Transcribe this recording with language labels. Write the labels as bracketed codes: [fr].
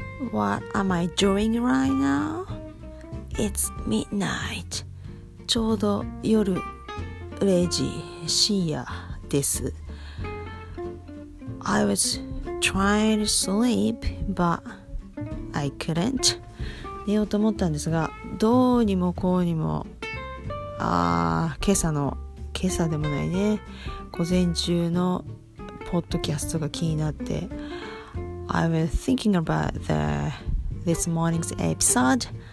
[en] What am I doing right now? It's midnight. [ja] ちょうど夜0時深夜です。 [en] I was trying to sleep, but I couldn't. [ja] 寝ようと思ったんですが、どうにもこうにも、今朝でもないね。午前中のポッドキャストが気になって [en] I was thinking about this morning's episode.